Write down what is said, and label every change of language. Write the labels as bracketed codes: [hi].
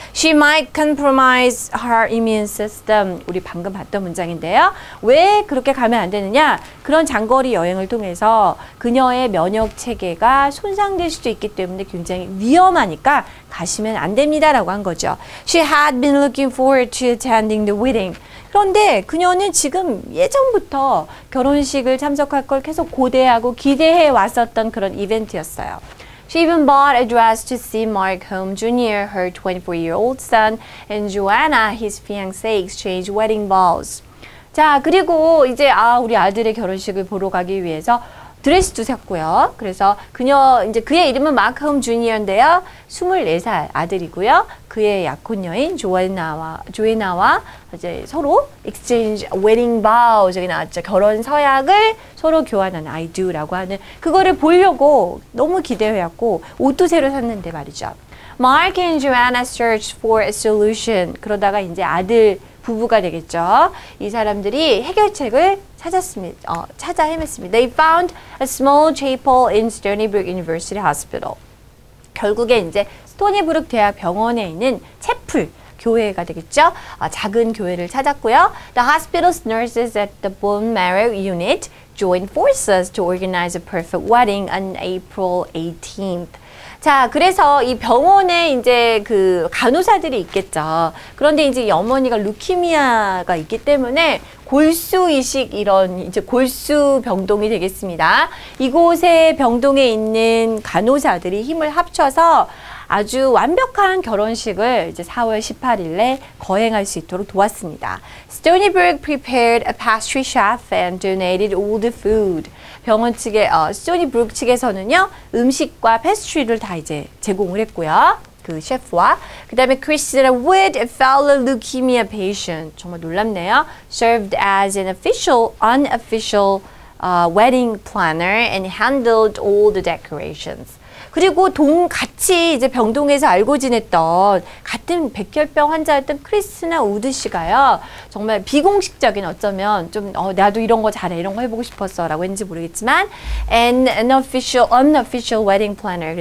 [en] She might compromise her immune system. [ko] 우리 방금 봤던 문장인데요. 왜 그렇게 가면 안 되느냐? 그런 장거리 여행을 통해서 그녀의 면역 체계가 손상될 수도 있기 때문에 굉장히 위험하니까 가시면 안 됩니다라고 한 거죠. [en] She had been looking forward to attending the wedding. [ko] 그런데 그녀는 지금 예전부터 결혼식을 참석할 걸 계속 고대하고 기대해 왔었던 그런 이벤트였어요. [en] She even bought a dress to see Mark Home Jr., her 24-year-old son, and Joanna, his fiancé, exchange wedding vows. [ko] 자, 그리고 이제 우리 아들의 결혼식을 보러 가기 위해서 드레스도 샀고요. 그래서 그녀 이제 그의 이름은 마크 홈 주니어인데요. 24살 아들이고요. 그의 약혼녀인 조에나와 이제 서로 [en] exchange wedding vows [ko] 여기 나왔죠. 결혼 서약을 서로 교환하는 [en] I do [ko] 라고 하는 그거를 보려고 너무 기대해왔고 옷도 새로 샀는데 말이죠. [en] Mark and Joanna searched for a solution. [ko] 그러다가 이제 아들 부부가 되겠죠. 이 사람들이 해결책을 찾아 헤맸습니다. [en] They found a small chapel in Stony Brook University Hospital. [ko] 결국에 이제 스토니브룩 대학 병원에 있는 채플 교회가 되겠죠. 작은 교회를 찾았고요. [en] The hospital's nurses at the bone marrow unit joined forces to organize a perfect wedding on April 18th. [ko] 자, 그래서 이 병원에 이제 그 간호사들이 있겠죠. 그런데 이제 이 어머니가 루키미아가 있기 때문에 골수 이식 이런 이제 골수 병동이 되겠습니다. 이곳에 병동에 있는 간호사들이 힘을 합쳐서 아주 완벽한 결혼식을 이제 4월 18일에 거행할 수 있도록 도왔습니다. [en] Stony Brook prepared a pastry chef and donated all the food. [ko] 병원 측에 Stony Brook 측에서는요 음식과 패스트리를 다 이제 제공을 했고요. 그 셰프와 그다음에 Christina Wood, [en] a fellow leukemia patient, [ko] 정말 놀랍네요. [en] Served as an official, unofficial wedding planner and handled all the decorations. [ko] 그리고 같이 이제 병동에서 알고 지냈던 같은 백혈병 환자였던 크리스나 우드 씨가요. 정말 비공식적인 어쩌면 좀 나도 이런 거 잘해 이런 거 해보고 싶었어라고 했는지 모르겠지만 [en] an unofficial wedding planner.